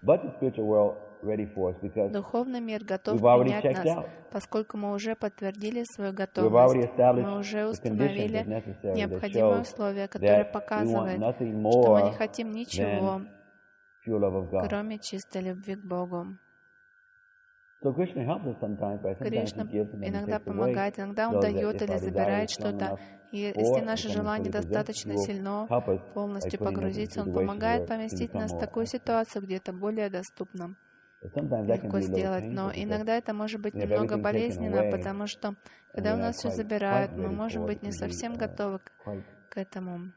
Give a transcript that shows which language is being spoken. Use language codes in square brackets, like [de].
[ru] Духовный мир готов принять нас, поскольку мы уже подтвердили свою готовность, мы уже установили необходимые условия, которые показывают, что мы не хотим ничего, кроме чистой любви к Богу. [en] So Krishna helps us sometimes by sometimes he gives and [ru] иногда помогает, иногда он дает или забирает что-то. И если наше желание достаточно сильно полностью погрузиться, он помогает поместить нас в такую ситуацию, где это более доступно легко сделать. Но иногда это может быть немного болезненно, потому что когда у нас все забирают, мы можем быть не совсем готовы к этому.